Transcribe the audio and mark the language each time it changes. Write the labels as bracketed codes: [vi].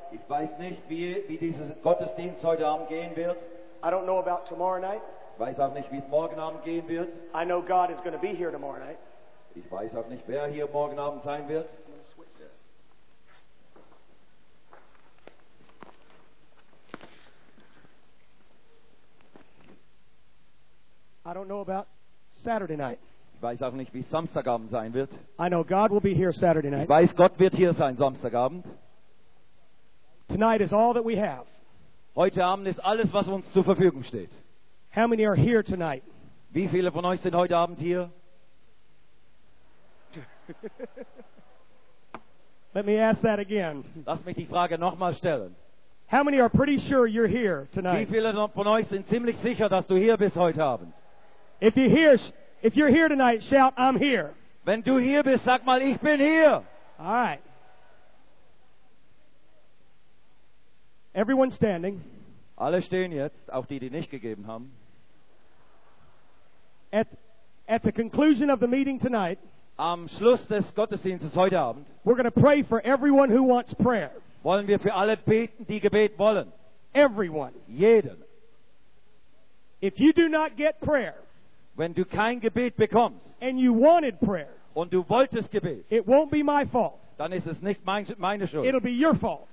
[de] Ich weiß nicht, wie dieses Gottesdienst heute Abend gehen wird. [en] I don't know about tomorrow night. [de] Weiß auch nicht, wie es morgen Abend gehen wird. [en] I know God is going to be here tomorrow night. [de] Ich weiß auch nicht, wer hier morgen Abend sein wird. [en] I don't know about Saturday night. [de] Ich weiß auch nicht, wie Samstagabend sein wird. [en] I know God will be here Saturday night. [de] Ich weiß, Gott wird hier sein Samstagabend. [en] Tonight is all that we have. [de] Heute Abend ist alles, was uns zur Verfügung steht. [en] How many are here tonight? [de] Wie viele von euch sind heute Abend hier? [en] Let me ask that again. [de] Lass mich die Frage nochmal stellen. [en] How many are pretty sure you're here tonight? [de] Wie viele von euch sind ziemlich sicher, dass du hier bist heute Abend? [en] If you're here tonight, shout, I'm here. [de] Wenn du hier bist, sag mal, ich bin hier. [en] All right. Everyone standing. [de] Alle stehen jetzt, auch die, die nicht gegeben haben. [en] At the conclusion of the meeting tonight, [de] am Schluss des Gottesdienstes heute Abend, [en] we're going to pray for everyone who wants prayer. [de] Wollen wir für alle beten, die Gebet wollen. [en] Everyone. [de] Jeden. [en] If you do not get prayer, [de] wenn du kein Gebet bekommst, [en] and you wanted prayer, [de] und du wolltest Gebet, [en] it won't be my fault. [de] Dann ist es nicht meine Schuld. [en] It'll be your fault.